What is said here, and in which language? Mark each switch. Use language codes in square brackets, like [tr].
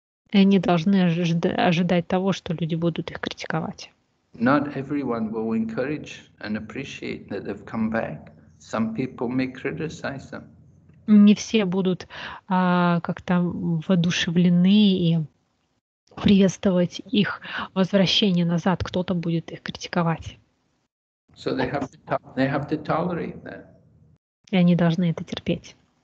[ru] И они должны ожидать того, что люди будут их критиковать. [en] Not everyone will encourage and appreciate that they've come back. Some people may criticize them. [ru] Не все будут как-то воодушевлены и приветствовать их возвращение назад. Кто-то будет их критиковать. [en] So they have to tolerate that. [ru] И они должны это терпеть.